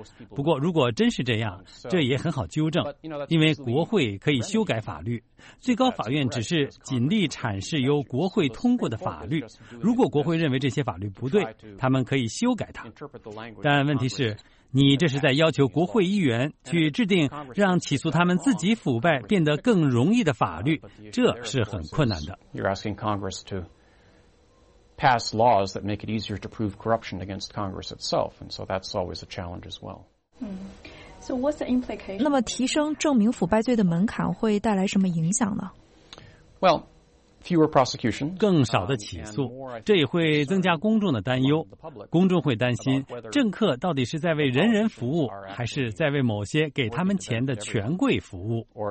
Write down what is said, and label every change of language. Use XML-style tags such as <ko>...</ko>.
<zh>不过如果真是这样，这也很好纠正，因为国会可以修改法律，最高法院只是尽力阐释由国会通过的法律，如果国会认为这些法律不对，他们可以修改它。但问题是，你这是在要求国会议员去制定让起诉他们自己腐败变得更容易的法律，这是很困难的。</zh> <en>You're asking Congress to pass laws that make it easier to prove corruption against Congress itself, and so that's always a challenge as well. So what's the implication?</en> <zh>那么提升证明腐败罪的门槛会带来什么影响呢？</zh> <en>Well,fewer prosecutions,</en> <zh>更少的起诉，这也会增加公众的担忧。公众会担心政客到底是在为人人服务，还是在为某些给他们钱的权贵服务。</zh>